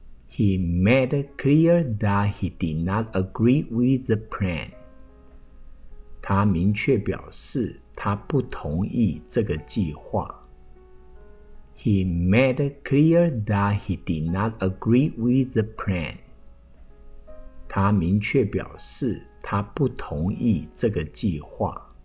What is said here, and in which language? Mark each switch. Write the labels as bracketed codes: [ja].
[en] He made clear that he did not agree with the plan. [zh] 他明确表示他不同意这个计划。 [en] He made clear that he did not agree with the plan. [zh] 他明确表示他不同意这个计划。